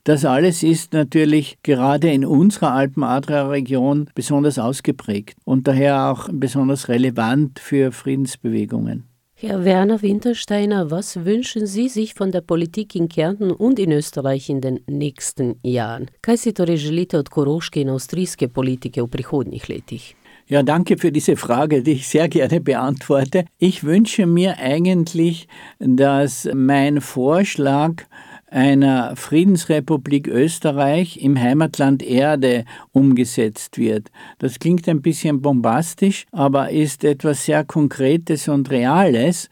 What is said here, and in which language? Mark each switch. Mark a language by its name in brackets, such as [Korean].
[German] Das alles ist natürlich gerade in unserer Alpen-Adria-Region besonders ausgeprägt und daher auch besonders relevant für Friedensbewegungen. Herr Werner Wintersteiner, was wünschen Sie sich von der Politik in Kärnten und in Österreich in den nächsten Jahren? [Slovenian] Kaj si torej želite od Koroške in avstrijske politike v prihodnjih letih? [German] Ja, danke für diese Frage, die ich sehr gerne beantworte. Ich wünsche mir eigentlich, dass mein Vorschlag einer Friedensrepublik Österreich im Heimatland Erde umgesetzt wird. Das klingt ein bisschen bombastisch, aber ist etwas sehr Konkretes und Reales.